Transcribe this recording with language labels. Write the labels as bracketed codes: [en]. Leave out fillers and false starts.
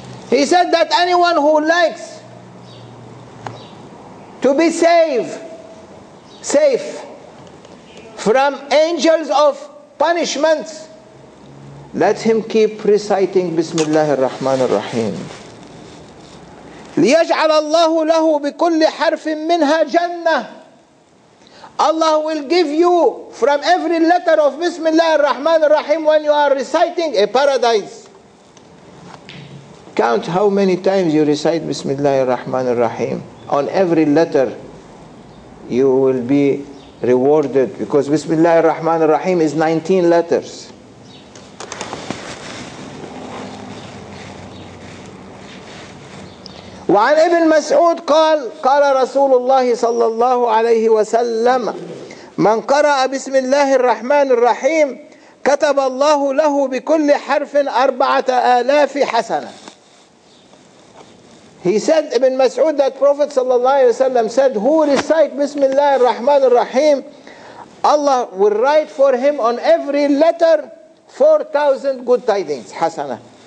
[en] He said that anyone who likes to be safe from angels of punishment, let him keep reciting [ar] بسم الله الرحمن الرحيم. ليجعل الله له بكل حرف منها جنة. [en] Allah will give you from every letter of Bismillah ar-Rahman ar-Rahim when you are reciting a paradise. Count how many times you recite Bismillah ar-Rahman ar-Rahim. On every letter you will be rewarded, because Bismillah ar-Rahman ar-Rahim is 19 letters. [ar] وعن ابن مسعود قال قال رسول الله صلى الله عليه وسلم من قرأ بسم الله الرحمن الرحيم كتب الله له بكل حرف 4,000 حسنة. [en] He said, ابن مسعود, that Prophet [ar] صلى الله عليه وسلم [en] said, who recite [ar] بسم الله الرحمن الرحيم, [en] Allah will write for him on every letter 4,000 good tidings, حسنة.